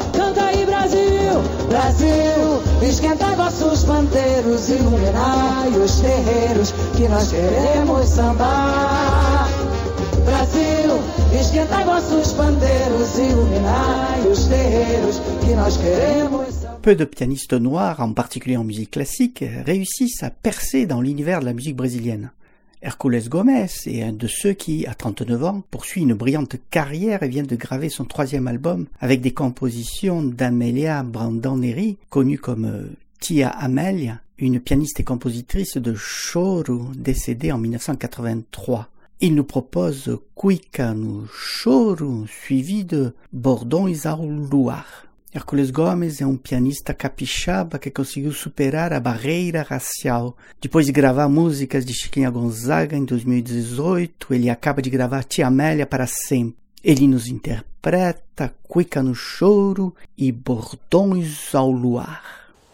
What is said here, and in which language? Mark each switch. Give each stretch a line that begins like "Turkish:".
Portuguese: Canta aí Brasil, Brasil, esquenta vossos panteiros e iluminai os terreiros que nós queremos sambar. Brasil, esquentai vossos pandeiros, iluminai os terreiros que nós queremos.
French: Peu de pianistes noirs, en particulier en musique classique, réussissent à percer dans l'univers de la musique brésilienne. Hercules Gomez est un de ceux qui, à 39 ans, poursuit une brillante carrière et vient de graver son troisième album avec des compositions d'Amélia Brandão Neri, connue comme Tia Amélia, une pianiste et compositrice de Choro, décédée en 1983. Il nous propose Cuica no Choro, suivi de Bordão e Zau Luar.
Portuguese: Hercules Gomez é um pianista capixaba que conseguiu superar a barreira racial. Depois de gravar músicas de Chiquinha Gonzaga em 2018, ele acaba de gravar Tia Amélia para sempre. Ele nos interpreta Cuica no Choro e Bordão e Zau Luar.